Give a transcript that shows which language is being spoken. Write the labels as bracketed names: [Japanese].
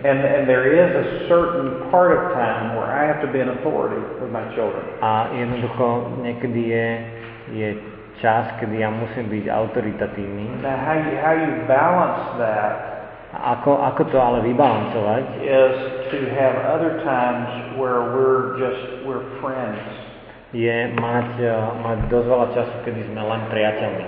[English] And there is a certain part of time where I have to be an authority for my children. [Slovak] A jednoducho niekedy je čas, kedy ja musím byť autoritatívny. [English] Now how you balance that? [Slovak] Ako to ale vybalancovať? [English] Is to have other times where we're friends. [Slovak] Je mať dosť veľa času, kedy sme len priateľmi.